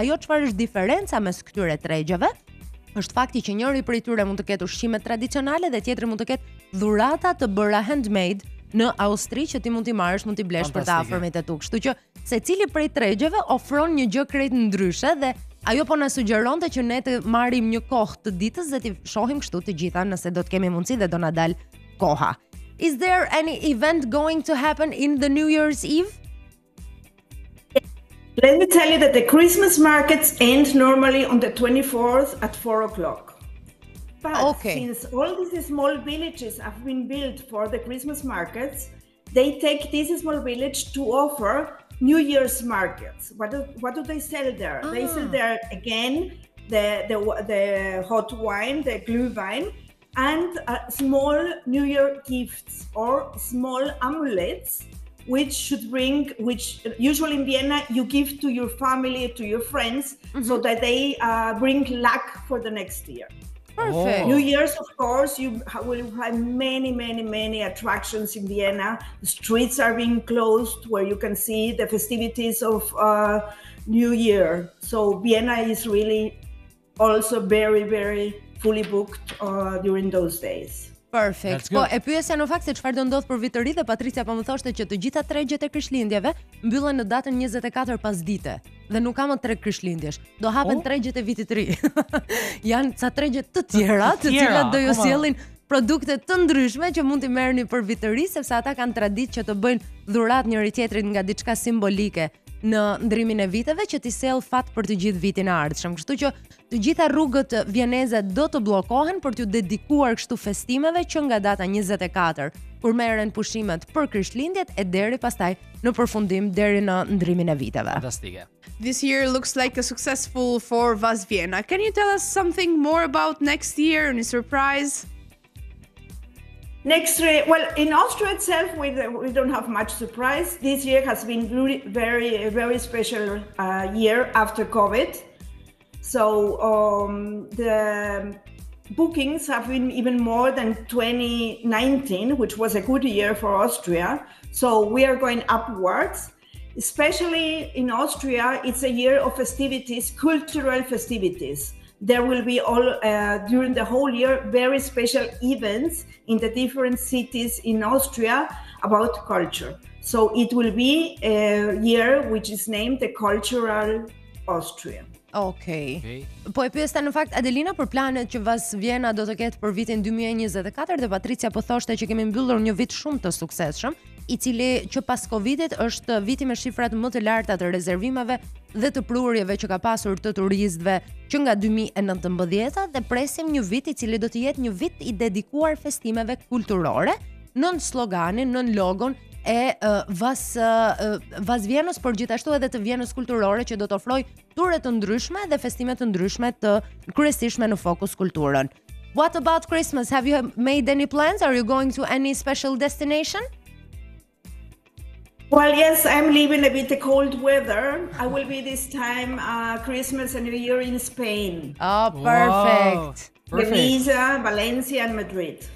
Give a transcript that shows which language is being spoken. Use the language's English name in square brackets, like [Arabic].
[Albanian] Ajo çfarë është diferenca mes këtyre tregjeve? Është fakti që njëri prej tyre mund të ketë ushqime tradicionale dhe tjetri mund të ketë dhurata të bëra handmade në Austri që ti mund t'i marrësh, mund t'i blesh për të afërmit e tu. Kështu që secili prej tregjeve ofron një gjë krejt ndryshe dhe ajo po na sugjeronte që ne të marrim një kohë të ditës dhe t'i shohim kështu të gjitha nëse do të kemi mundësi dhe do na dal koha. [English] Is there any event going to happen in the New Year's Eve? Let me tell you that the Christmas markets end normally on the 24th at 4 o'clock. But okay. Since all these small villages have been built for the Christmas markets, they take this small village to offer New Year's markets. What do they sell there? Ah. They sell there again the hot wine, the Glühwein, and small New Year gifts or small amulets. Which usually in Vienna you give to your family, to your friends, mm-hmm. so that they bring luck for the next year. Perfect. New Year's, of course, you will have many, many, many attractions in Vienna. The streets are being closed where you can see the festivities of New Year. So Vienna is really also very, very fully booked during those days. Perfect. [Albanian] Po e pyesja në fakt se çfarë do ndodh për vit të ri dhe Patricia po më thoshte që të gjitha tregjet e Krishtlindjeve mbyllen në datën 24 pasdite dhe nuk ka më treg Krishtlindjesh. Do hapen tregjet e vitit të ri. Janë ca tregje të tjera, të cilat do ju sjellin produkte të ndryshme që mund t'i merrni për vit të ri sepse ata kanë traditë që të bëjnë dhurat njëri tjetrit nga diçka simbolike. Në ndryrimin e viteve që ti sjell fat për të gjithë vitin e ardhshëm. Kështu që të gjitha rrugët vieneze do të bllokohen për t'u dedikuar kështu festimeve që nga data 24 kur merren pushimet për Krishtlindjet e deri pastaj në përfundim deri në ndryrimin e viteve. Fantastike. [English] This year looks like a successful for Vas Vienna. Can you tell us something more about next year, any surprise? Next year, well, in Austria itself, we don't have much surprise. This year has been really very, very special year after COVID. So the bookings have been even more than 2019, which was a good year for Austria. So we are going upwards. Especially in Austria, it's a year of festivities, cultural festivities. There will be all during the whole year very special events in the different cities in Austria about culture. So it will be a year which is named the Cultural Austria. Okay. [Albanian] Po e pyeste në fakt Adelina për planet që Vas Vienna do të ketë për vitin 2024 dhe Patricia po thoshte që kemi mbyllur një vit shumë të suksesshëm, I cili që pas Covidit është viti me shifrat më të larta të rezervimeve dhe të prurjeve që ka pasur të turistëve që nga 2019 dhe presim një vit I cili do të jetë një vit I dedikuar festimeve kulturore, nën sloganin, nën logon e Vas Vienës, por gjithashtu edhe të Vienës kulturore që do të ofrojë ture të ndryshme dhe festime të ndryshme të kryesishme në fokus kulturën. [English] What about Christmas? Have you made any plans? Are you going to any special destination? Well, yes, I'm living a bit of cold weather. I will be this time Christmas and New Year in Spain. Oh, perfect. Venice, Valencia and Madrid.